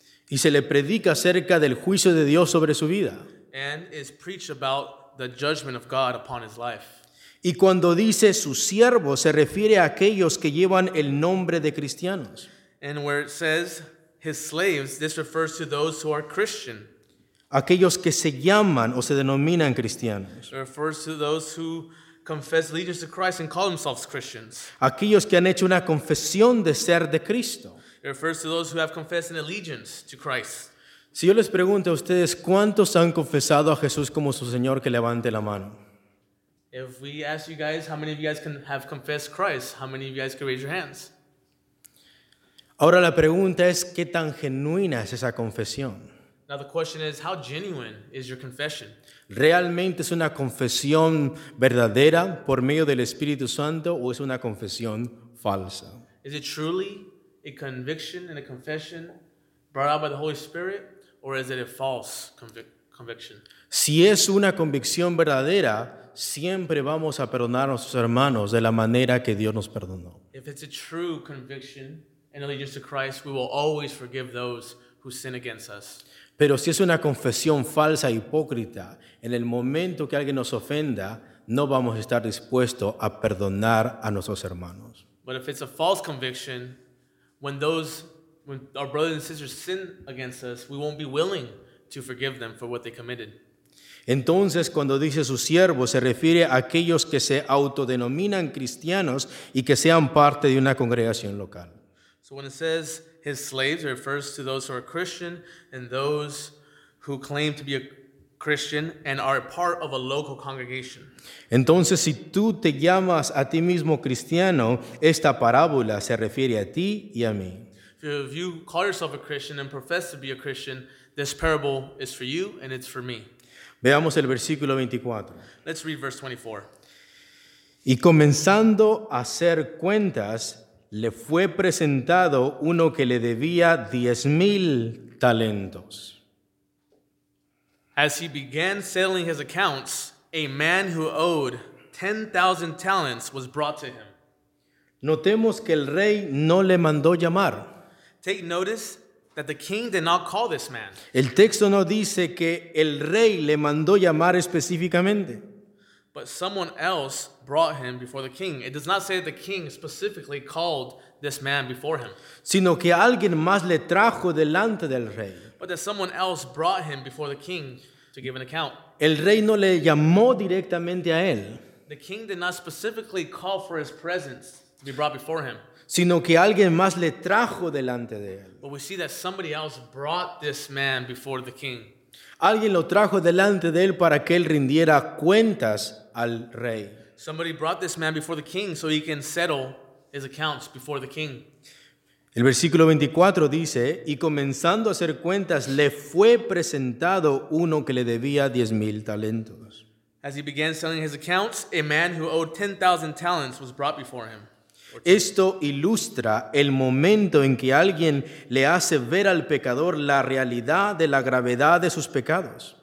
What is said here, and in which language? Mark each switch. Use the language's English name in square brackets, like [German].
[Spanish] Y se le predica acerca del juicio de Dios sobre su vida. [English] And is preached about the judgment of God upon his life. [Spanish] Y cuando dice su siervo, se refiere a aquellos que llevan el nombre de cristianos. [English] And where it says his slaves, this refers to those who are Christian. [Spanish] Aquellos que se llaman o se denominan cristianos. [English] It refers to those who confess allegiance to Christ and call themselves Christians. [Spanish] Aquellos que han hecho una confesión de ser de Cristo. [English] It refers to those who have confessed an allegiance to Christ. [Spanish] Si yo les pregunto a ustedes, ¿cuántos han confesado a Jesús como su Señor, que levante la mano? [English] If we ask you guys, how many of you guys can have confessed Christ? How many of you guys can raise your hands? [Spanish] Ahora la pregunta es, ¿qué tan genuina es esa confesión? [English] Now the question is, how genuine is your confession? [Spanish] ¿Realmente es una confesión verdadera por medio del Espíritu Santo o es una confesión falsa? [English] Is it truly a conviction and a confession brought out by the Holy Spirit, or is it a false conviction? [Spanish] Si es una convicción verdadera, siempre vamos a perdonar a nuestros hermanos de la manera que Dios nos perdonó. [English] If it's a true conviction and allegiance to Christ, we will always forgive those who sin against us. [Spanish] Pero si es una confesión falsa e hipócrita, en el momento que alguien nos ofenda, no vamos a estar dispuestos a perdonar a nuestros hermanos. [English] But if it's a false conviction, when our brothers and sisters sin against us, we won't be willing to forgive them for what they committed. [Spanish] Entonces, cuando dice su siervo, se refiere a aquellos que se autodenominan cristianos y que sean parte de una congregación local. [English] So when it says his slaves, it refers to those who are Christian and those who claim to be a Christian and are part of a local congregation. [Spanish] Entonces, si tú te llamas a ti mismo cristiano, esta parábola se refiere a ti y a mí. [English] If you call yourself a Christian and profess to be a Christian, this parable is for you and it's for me. [Spanish] Veamos el versículo 24. [English] Let's read verse 24. [Spanish] Y comenzando a hacer cuentas, le fue presentado uno que le debía 10,000 talentos. [English] As he began settling his accounts, a man who owed 10,000 talents was brought to him. [Spanish] Notemos que el rey no le mandó llamar. [English] Take notice that the king did not call this man. [Spanish] El texto no dice que el rey le mandó llamar específicamente. [English] But someone else brought him before the king. It does not say that the king specifically called this man before him. [Spanish] Sino que alguien más le trajo delante del rey. [English] But that someone else brought him before the king to give an account. [Spanish] El rey no le llamó directamente a él. [English] The king did not specifically call for his presence to be brought before him. [Spanish] Sino que alguien más le trajo delante de él. [English] But we see that somebody else brought this man before the king. [Spanish] Alguien lo trajo delante de él para que él rindiera cuentas al rey. [English] Somebody brought this man before the king so he can settle his accounts before the king. [Spanish] El versículo 24 dice, y comenzando a hacer cuentas, le fue presentado uno que le debía 10,000 talentos. [English] As he began selling his accounts, a man who owed 10,000 talents was brought before him. [Spanish] Esto ilustra el momento en que alguien le hace ver al pecador la realidad de la gravedad de sus pecados.